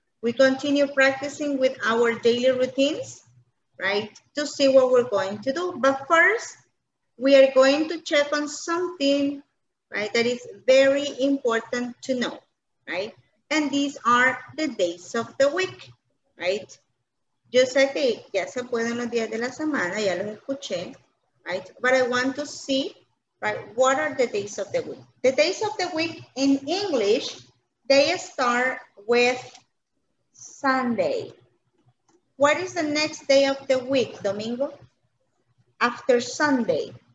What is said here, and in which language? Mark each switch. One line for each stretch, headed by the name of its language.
English: We continue practicing with our daily routines, right? To see what we're going to do. But first, we are going to check on something, right? That is very important to know, right? And these are the days of the week, right?
Spanish: Yo sé que ya se pueden los días de la semana, ya los escuché.
English: Right? But I want to see, right, what are the days of the week? The days of the week in English, they start with Sunday. What is the next day of the week, Domingo? After Sunday.